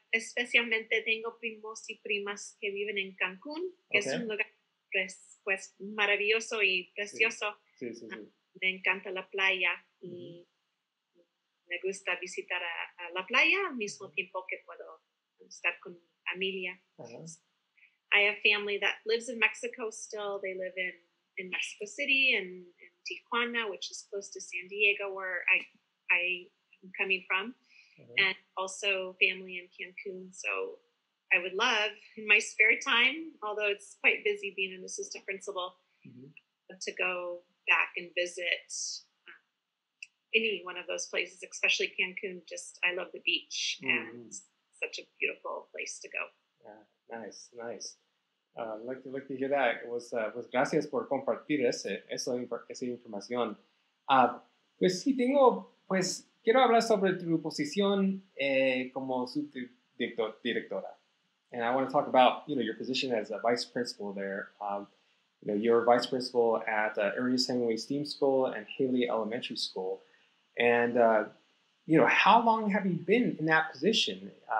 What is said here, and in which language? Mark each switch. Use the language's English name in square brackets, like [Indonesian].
[Spanish] Especialmente tengo primos y primas que viven en Cancún, que es un lugar pues maravilloso y precioso. Sí. Me encanta la playa y me gusta visitar a la playa al mismo tiempo que puedo estar con mi familia. [English] I have family that lives in Mexico still. They live in Mexico City and in Tijuana, which is close to San Diego, where I am coming from, and also family in Cancun. So I would love, in my spare time, although it's quite busy being an assistant principal, to go back and visit any one of those places, especially Cancun. Just, I love the beach, and it's such a beautiful place to go. Nice. Like to hear that. [Spanish] Pues gracias por compartir esa información. Pues sí, quiero hablar sobre tu posición como subdirectora. [English] And I want to talk about, you know, your position as a vice principal there. You know, you're a vice principal at Ernest Hemingway Steam School and Haley Elementary School. And, you know, how long have you been in that position?